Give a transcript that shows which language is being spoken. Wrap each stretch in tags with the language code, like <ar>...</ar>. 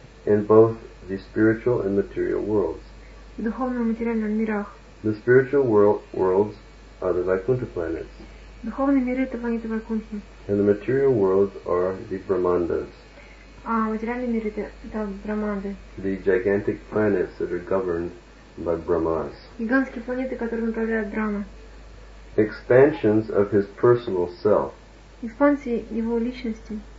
<en>In both the spiritual and material worlds.</en> <ru>В духовном и материальном мирах.</ru> <en>The spiritual worlds are the Vaikuntha planets.</en> <ru>Духовные миры это планеты Вайкунтхи.</ru> <en>And the material worlds are the Brahmandas.</en> <ru>А материальный мир — это Брахманы.</ru> <en>The gigantic planets that are governed by Brahmas.</en> <ru>Гигантские планеты, которые управляют Брахма.</ru> <en>Expansions of his personal self. Экспансии его личности.</en>